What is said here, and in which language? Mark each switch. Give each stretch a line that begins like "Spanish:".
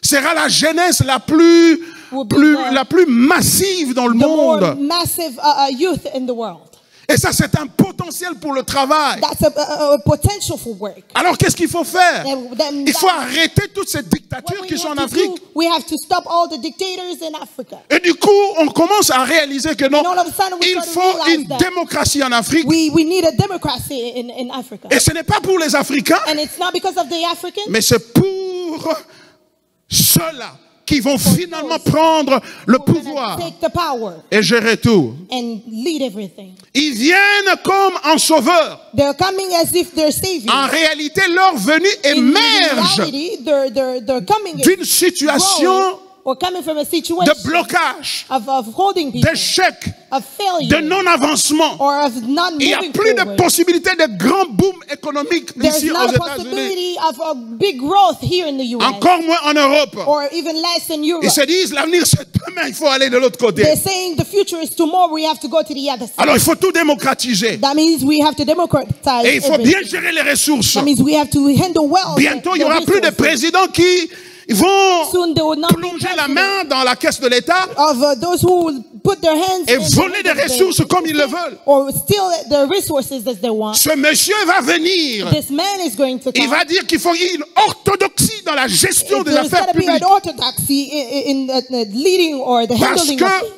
French: sera la jeunesse la plus massive dans le monde.
English: The more massive youth in the world.
French: Et ça, c'est un potentiel pour le travail.
English: That's a potential for work.
French: Alors, qu'est-ce qu'il faut faire?
English: Then
French: il faut arrêter toutes ces dictatures qui sont en Afrique.
English: Do, we have to stop all the dictators in Africa.
French: Et du coup, on commence à réaliser que non,
English: sudden,
French: il faut une démocratie en Afrique.
English: We need a democracy in Africa.
French: Et ce n'est pas pour les Africains,
English: and it's not because of the Africans,
French: mais c'est pour ceux-là qui vont finalement prendre le pouvoir et gérer tout. Ils viennent comme un sauveur. En réalité, leur venue émerge d'une situation de blocage, d'échec, de non-avancement. Il n'y a plus de possibilité de grand boom économique ici aux États-Unis. Encore moins en Europe.
English: Or even less in Europe.
French: Ils se disent l'avenir c'est demain, il faut aller de l'autre côté.
English: They're saying the future is tomorrow, we have to go to the other side.
French: Alors il faut tout démocratiser.
English: That means we have to democratize.
French: Et il faut
English: everything.
French: Bien gérer les ressources.
English: That means we have to handle well.
French: Bientôt il n'y aura plus de présidents qui ils vont plonger la main dans la caisse de l'État.
English: Of those who will put their hands
French: et voler des ressources comme ils le veulent.
English: Or steal the resources as they want.
French: Ce monsieur va venir.
English: This man is going to come.
French: Il va dire qu'il faut une orthodoxie dans la gestion des affaires publiques.
English: There's got to be an orthodoxy in the leading or the handling of things.